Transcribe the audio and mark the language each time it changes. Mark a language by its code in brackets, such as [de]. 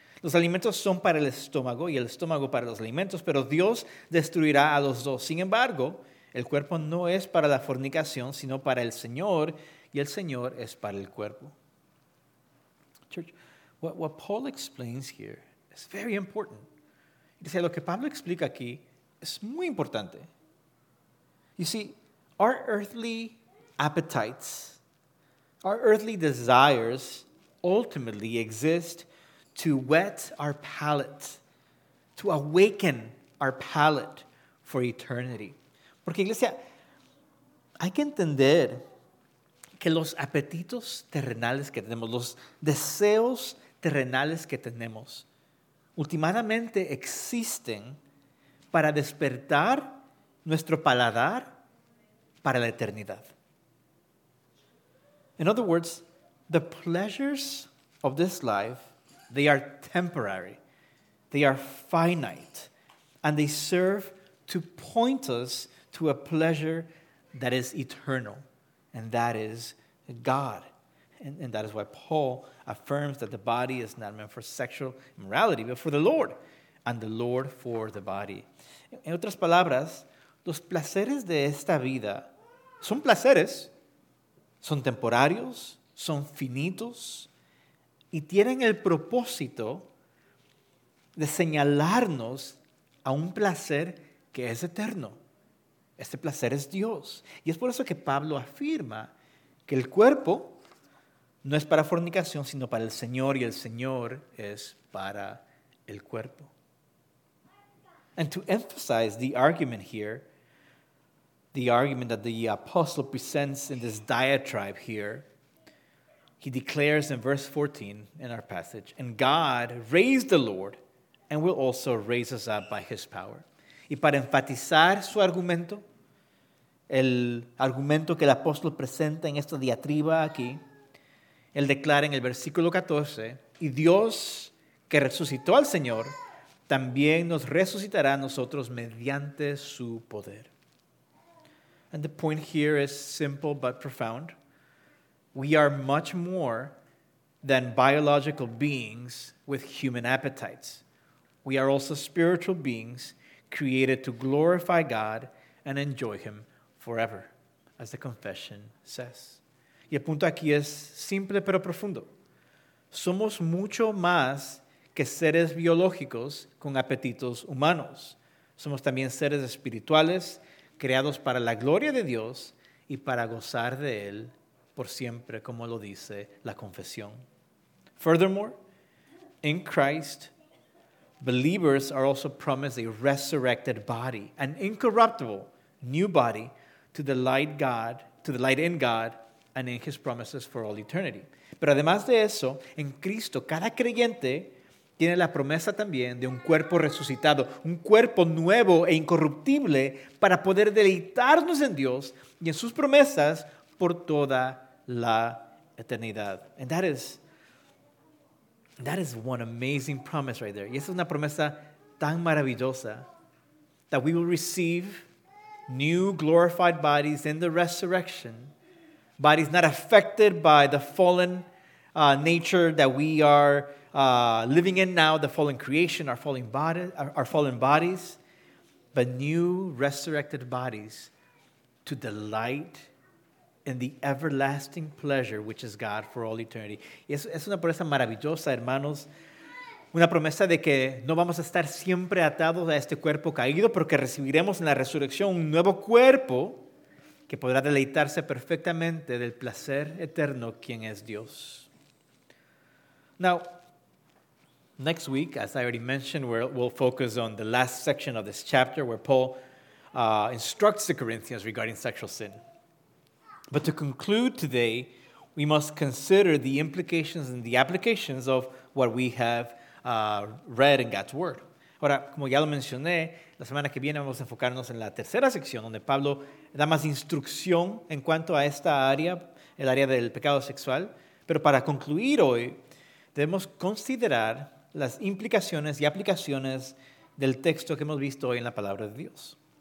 [es] Los alimentos son para el estómago y el estómago para los alimentos, pero Dios destruirá a los dos. Sin embargo, el cuerpo no es para la fornicación, sino para el Señor, y el Señor es para el cuerpo. [en] Church, what Paul explains here is very important. [es] Dice, lo que Pablo explica aquí es muy importante. [en] You see, our earthly appetites, our earthly desires ultimately exist to whet our palate, to awaken our palate for eternity. [es] Porque, iglesia, hay que entender que los apetitos terrenales que tenemos, los deseos terrenales que tenemos, últimamente existen para despertar nuestro paladar para la eternidad. [en] In other words, the pleasures of this life, they are temporary, they are finite, and they serve to point us to a pleasure that is eternal, and that is God. And that is why Paul affirms that the body is not meant for sexual immorality, but for the Lord, and the Lord for the body. [es] En otras palabras, los placeres de esta vida son placeres, son temporarios, son finitos, y tienen el propósito de señalarnos a un placer que es eterno. Este placer es Dios. Y es por eso que Pablo afirma que el cuerpo no es para fornicación, sino para el Señor, y el Señor es para el cuerpo. [en] And to emphasize the argument here, the argument that the apostle presents in this diatribe here, he declares in verse 14 in our passage, "And God raised the Lord and will also raise us up by his power." [es] Y para enfatizar su argumento, el argumento que el apóstol presenta en esta diatriba aquí, él declara en el versículo 14, "Y Dios que resucitó al Señor también nos resucitará a nosotros mediante su poder." [en] And the point here is simple but profound. We are much more than biological beings with human appetites. We are also spiritual beings created to glorify God and enjoy him forever, as the confession says. [es] Y el punto aquí es simple pero profundo. Somos mucho más que seres biológicos con apetitos humanos. Somos también seres espirituales creados para la gloria de Dios y para gozar de él por siempre, como lo dice la confesión. [en] Furthermore, in Christ, believers are also promised a resurrected body, an incorruptible new body to delight in God and in his promises for all eternity. [es] Pero además de eso, en Cristo, cada creyente tiene la promesa también de un cuerpo resucitado, un cuerpo nuevo e incorruptible para poder deleitarnos en Dios y en sus promesas por toda la eternidad. [en] And that is one amazing promise right there. [es] Y esa es una promesa tan maravillosa, [en] that we will receive new glorified bodies in the resurrection, bodies not affected by the fallen nature that we are living in now, the fallen creation, our fallen bodies, but new resurrected bodies to delight in the everlasting pleasure which is God for all eternity. [es] Y es una promesa maravillosa, hermanos, una promesa de que no vamos a estar siempre atados a este cuerpo caído, pero que recibiremos en la resurrección un nuevo cuerpo que podrá deleitarse perfectamente del placer eterno quien es Dios. [en] Now, next week, as I already mentioned, we'll focus on the last section of this chapter where Paul instructs the Corinthians regarding sexual sin. But to conclude today, we must consider the implications and the applications of what we have read in God's Word. [es] Ahora, como ya lo mencioné, la semana que viene vamos a enfocarnos en la tercera sección donde Pablo da más instrucción en cuanto a esta área, el área del pecado sexual. Pero para concluir hoy, debemos considerar las implicaciones y aplicaciones del texto que hemos visto hoy en la Palabra de Dios.